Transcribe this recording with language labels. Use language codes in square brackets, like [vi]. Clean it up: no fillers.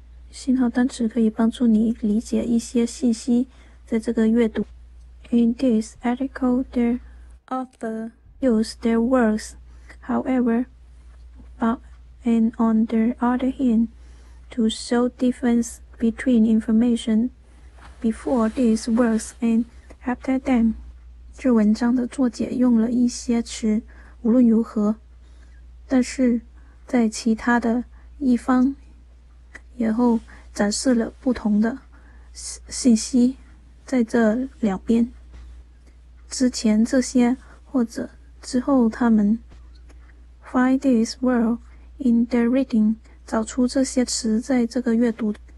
[zh] 信号单词可以帮助你理解一些信息，在这个阅读。 [en] In this article, the author used their words, however, but and on the other hand, to show difference between information before these words and after them。 [zh] 这文章的作者用了一些词。无论如何，但是在其他的一方也后展示了不同的信息。在这两边之前这些或者之后他们 [en] Find this word in the reading， [zh] 找出这些词在这个阅读。